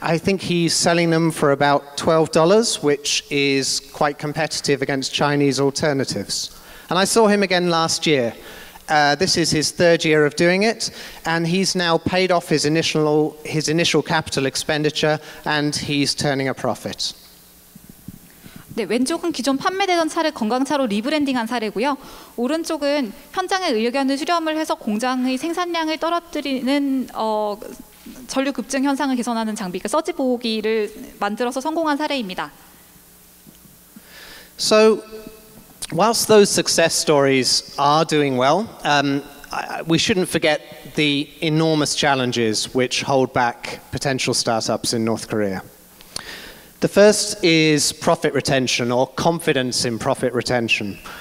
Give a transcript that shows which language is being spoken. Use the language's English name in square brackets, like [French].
[English] I think he's selling them for about $12, which is quite competitive against Chinese alternatives. And I saw him again last year. This is his third year of doing it, and he's now paid off his initial capital expenditure, and he's turning a profit. [Korean] 네, 왼쪽은 기존 판매되던 차를 건강차로 리브랜딩한 사례고요. 오른쪽은 현장의 의견을 수렴을 해서 공장의 생산량을 떨어뜨리는 전류 급증 현상을 개선하는 장비, 서지 보호기를 만들어서 성공한 사례입니다. [English] So, whilst those success stories are doing well, we shouldn't forget the enormous challenges which hold back potential startups in North Korea. The first is profit retention, or confidence in profit retention.